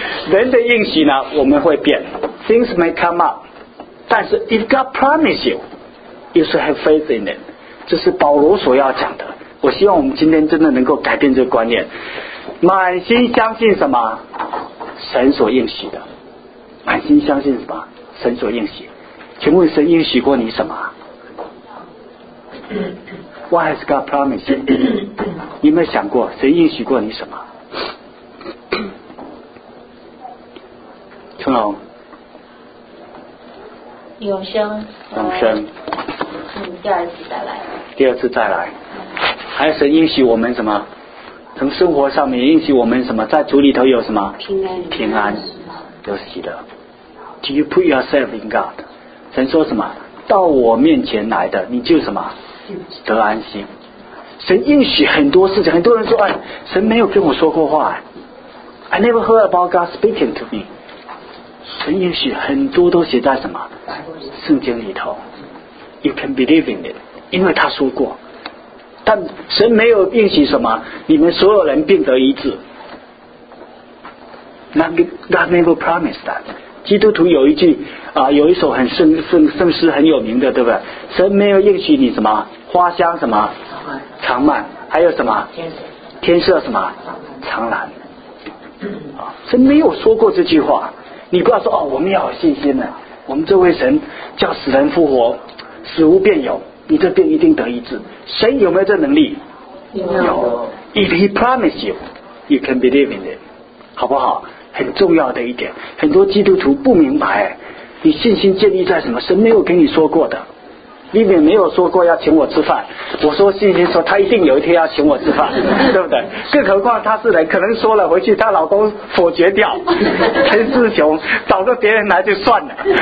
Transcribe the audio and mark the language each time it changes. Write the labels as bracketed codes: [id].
[zh] 人的应许呢，我们会变 [en] ，things may come up， [zh] 但是 [en] if God promise you， you should have faith in it， [zh] 这是保罗所要讲的。我希望我们今天真的能够改变这个观念，满心相信什么？神所应许的，满心相信什么？神所应许。请问神应许过你什么？ [en] What has God promised you？ [zh] 你有没有想过神应许过你什么？春龙，永生，永生，第二次再来，第二次再来。还有神应许我们什么？从生活上面应许我们什么？在主里头有什么平安？平安有喜乐。 [en] Do you put yourself in God？ [zh] 神说什么？到我面前来的，你就什么得安心。神应许很多事情，很多人说，哎，神没有跟我说过话。 [en] I never heard about God speaking to me。 [zh] 神应许很多都写在什么圣经里头。 [en] You can believe in it， [zh] 因为他说过。但神没有应许什么你们所有人病得医治， [en] God never promised that. [zh] 基督徒有一句啊、有一首很圣诗很有名的，对不对？神没有应许你什么花香什么长满，还有什么天色什么长蓝。神没有说过这句话。你不要说哦，我们要有信心的，我们这位神叫死人复活，死无变有，你这病一定得医治。神有没有这能力？有。 [en] If he promised you, you can believe in it. [zh] 好不好？很重要的一点，很多基督徒不明白，你信心建立在什么？神没有跟你说过的，里面没有说过要请我吃饭。我说信心说他一定有一天要请我吃饭，对不对？更何况他是人，可能说了回去他老公否决掉，陈志雄找个别人来就算了。